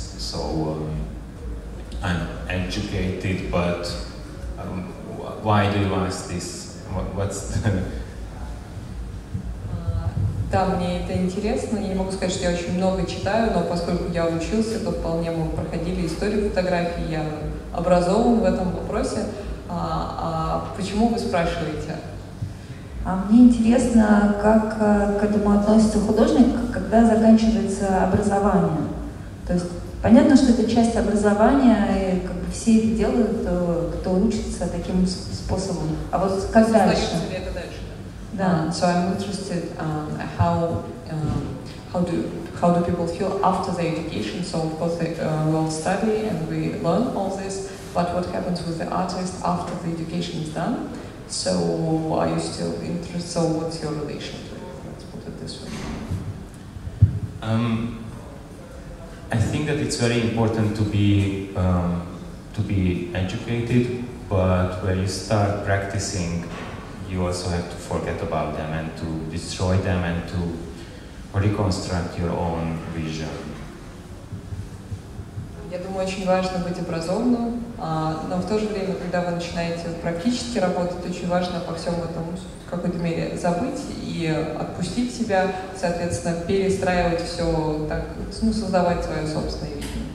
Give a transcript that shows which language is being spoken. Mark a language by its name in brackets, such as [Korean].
[English] So I'm educated, but why do you ask this? What's [Russian] Да, мне это интересно. Я не могу сказать, что я очень много читаю, но поскольку я учился, то вполне мы проходили историю фотографии. Я образован в этом вопросе. А почему вы спрашиваете? Мне интересно, как к этому относится художник, когда заканчивается образование. То есть понятно, что это часть образования, и как бы все это делают, кто учится таким способом. А вот как дальше? Да. [English] So I'm interested how do people feel after the education? So of course they will study and we learn all this, but what happens with the artist after the education is done? So are you still interested? So what's your relation to it? Let's put it this way. I think that it's very important to be educated, but when you start practicing, you also have to forget about them and to destroy them and to reconstruct your own vision. [Russian] Я думаю, очень важно быть образованным, но в то же время, когда вы начинаете практически работать, очень важно по всем этом в какой-то мере забыть и отпустить себя, соответственно, перестраивать все, так, ну, создавать свое собственное видение.